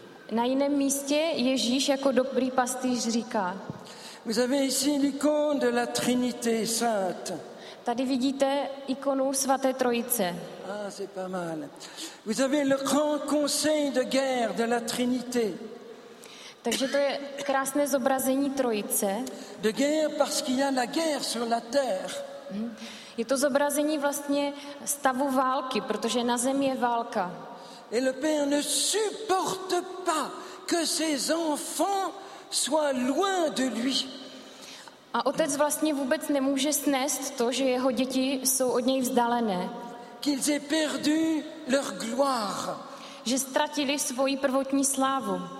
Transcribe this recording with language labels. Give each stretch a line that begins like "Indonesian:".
Czech: Na jiném místě Ježíš jako dobrý pastýř říká.
French: Vous avez ici l'icône de la Trinité sainte.
Czech: Tady vidíte ikonu svaté Trojice.
French: Ah, c'est pas mal. Vous avez le grand conseil de guerre de la Trinité.
Czech: Takže to je krásné zobrazení Trojice.
French: De guerre parce qu'il y a la guerre sur la terre.
Czech: Je to zobrazení vlastně stavu války, protože na zemi je válka.
French: Et le père ne supporte pas que ses enfants soient loin de lui.
Czech: A otec vlastně vůbec nemůže snést to, že jeho děti jsou od něj vzdálené.
French: Qu'ils aient perdu leur gloire.
Czech: Že ztratili svoji prvotní slávu.